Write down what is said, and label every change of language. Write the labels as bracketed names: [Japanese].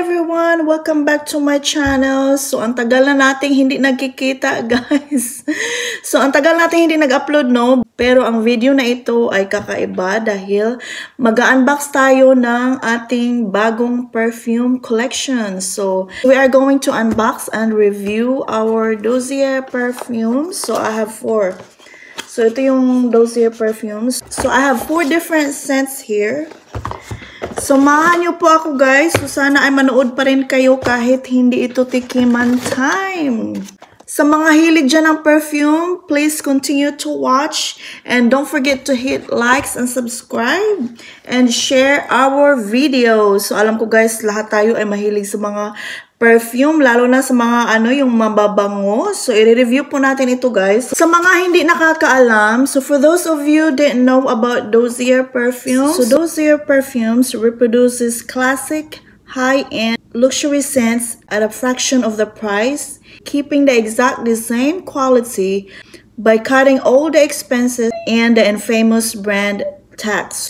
[English] everyone, welcome back to my channel. [Filipino] So ang tagal na nating hindi nagkikita, guys. So ang tagal nating hindi nag-upload, no? Pero ang video na ito ay kakaiba dahil mag-unbox tayo ng ating bagong perfume collection. [English] So we are going to unbox and review our DOSSIER perfumes. So I have four. [Filipino] So ito yung DOSSIER perfumes. [English] So I have four different scents here. [Filipino] Samahan niyo po ako, guys. So sana ay manood pa rin kayo kahit hindi ito tikiman time. Sa mga hilig dyan ng perfume, [English] please continue to watch and don't forget to hit likes and subscribe and share our videos. [Filipino] So alam ko, guys, lahat tayo ay mahilig sa mga perfume, lalo na sa mga ano, yung mababango. So i-review po natin ito, guys. Sa mga hindi nakakaalam, [English] so for those of you didn't know about DOSSIER perfumes, so DOSSIER perfumes reproduces classic high-end luxury scents at a fraction of the price, keeping the exactly same quality by cutting all the expenses and the infamous brand tax.